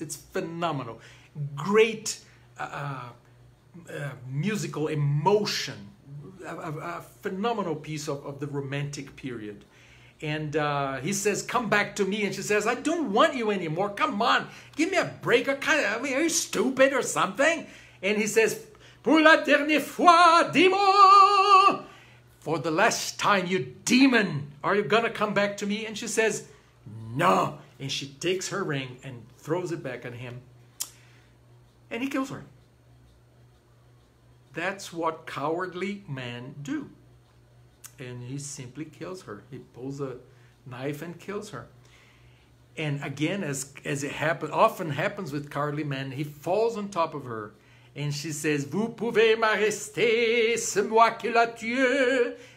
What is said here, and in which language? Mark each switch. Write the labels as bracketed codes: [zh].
[en] It's phenomenal. Great musical emotion. A phenomenal piece of the romantic period. And he says, come back to me. And she says, I don't want you anymore. Come on, give me a break. I mean, are you stupid or something? And he says, [fr] pour la dernière fois, dis-moi. [en] For the last time, you demon, are you gonna come back to me? And she says, no. And she takes her ring and throws it back at him. And he kills her. That's what cowardly men do. And he simply kills her. He pulls a knife and kills her. And again, as it often happens with cowardly men, he falls on top of her. And she says, [fr] vous pouvez m'arrester, c'est moi qui l'a tué.